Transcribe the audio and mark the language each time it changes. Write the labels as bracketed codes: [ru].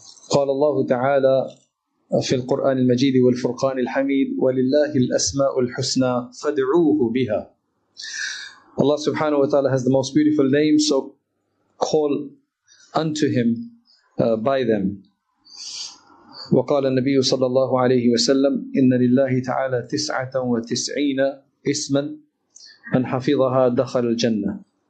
[ar] قال الله تعالى في القرآن المجيد والفرقان الحميد ولله الأسماء الحسنى فادعوه بها. [en] Allah subhanahu wa ta'ala has the most beautiful name, so call unto him by them. [ar] وقال النبي صلى الله عليه وسلم إن لله تعالى 99 اسما من حفظها دخل الجنة.